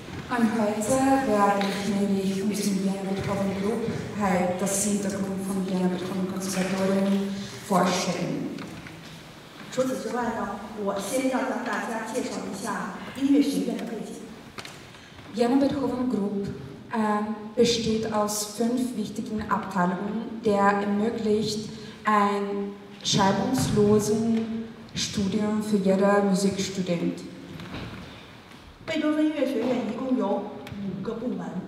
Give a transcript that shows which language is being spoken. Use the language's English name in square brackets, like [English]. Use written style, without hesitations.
[German] Und heute werde ich nämlich mit dem Vienna Beethoven Group, das Hintergrund von Vienna Beethoven Konservatorium, vorstellen. [Chinese] 除此之外呢，我先要向大家介绍一下音乐学院的背景。 [German] Vienna Beethoven Group besteht aus 5 wichtigen Abteilungen, der ermöglicht ein scheidungsloses Studium für jeder Musikstudent. Beethoven-Universität hat 5 Abteilungen.